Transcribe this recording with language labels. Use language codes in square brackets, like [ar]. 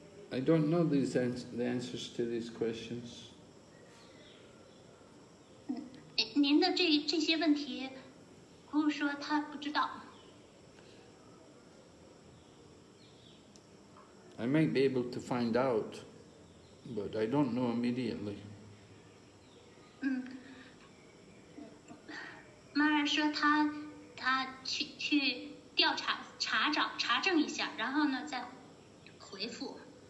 [en] I don't know the answers to these questions. [zh] 您的这些问题，不是说他不知道。 [en] I might be able to find out, but I don't know immediately. [zh] 嗯，妈妈说他去调查查证一下，然后呢再回复。